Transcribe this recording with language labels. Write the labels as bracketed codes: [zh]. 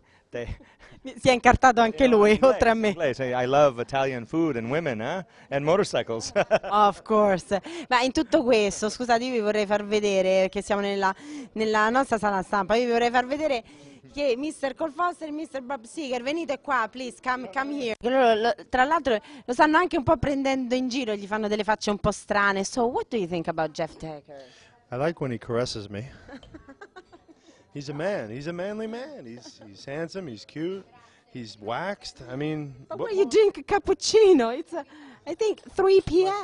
[it] Si è incartato anche lui, oltre a me. [en] I love Italian food and women, eh? And motorcycles. Of course. [it] Ma in tutto questo, scusate, io vi vorrei far vedere, che siamo nella nostra sala stampa, io vi vorrei far vedere che Mr. Cole Foster e Mr. [en] Bob Seeger, [it] venite qua, [en] please, come here. [it] Loro, tra l'altro, lo stanno anche un po' prendendo in giro, gli fanno delle facce un po' strane. [en] So, what do you think about Jeff Dagher? I like when he caresses me. He's a man. He's a manly man. He's handsome. He's cute. He's waxed. I mean, but when you drink a cappuccino, it's I think 3 p.m.